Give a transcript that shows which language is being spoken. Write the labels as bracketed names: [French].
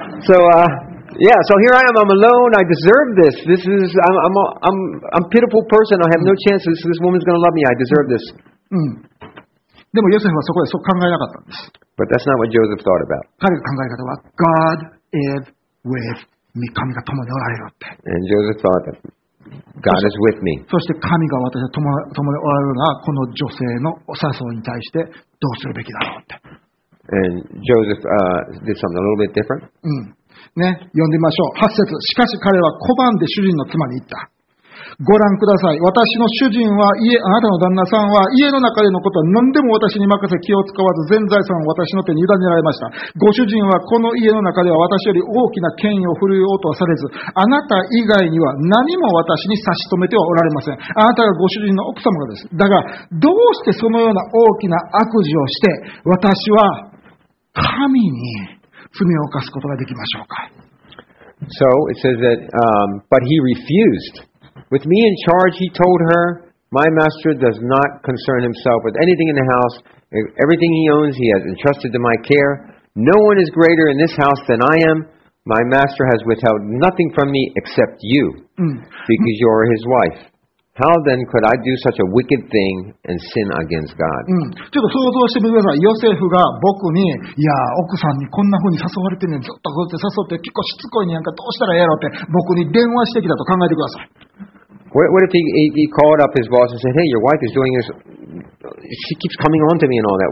[English] So, yeah, so here I am, I'm alone, I deserve this. This is, I'm a pitiful person, I have no chance, this woman's gonna love me, I deserve this. [Japanese] でもヨセフはそこでそう考えなかったんです。 [English] But that's not what Joseph thought about. [Japanese] 彼の考え方は、 God is with me. 神が共におられるって。 [English] And Joseph thought that God is with me. [Japanese] そして神が私と共におられるのは、この女性のお誘いに対してどうするべきだろうって。 [English] And Joseph, did something a little bit different. [Japanese] ね、読んでみましょう。8節。しかし彼は拒んで主人の妻に言った。ご覧ください。私の主人は家、あなたの旦那さんは家の中でのことは何でも私に任せ、気を使わず全財産を私の手に委ねられました。ご主人はこの家の中では私より大きな権威を振るおうとはされず、あなた以外には何も私に差し止めてはおられません。あなたがご主人の奥様がです。だが、どうしてそのような大きな悪事をして、私は神に罪を犯すことができましょうか。 [English] So, it says that, but he refused. With me in charge, he told her, my master does not concern himself with anything in the house. Everything he owns, he has entrusted to my care. No one is greater in this house than I am. My master has withheld nothing from me except you, because you are his wife. How then could I do such a wicked thing and sin against God? [Japanese] ちょっと想像してみてください。ヨセフが僕に、いや、奥さんにこんな風に誘われてんねん、ずっとこうやって誘って、結構しつこいねんか、どうしたらええやろって、僕に電話してきたと考えてください。 [English] What if he called up his boss and said, hey, your wife is doing this, she keeps coming on to me and all that.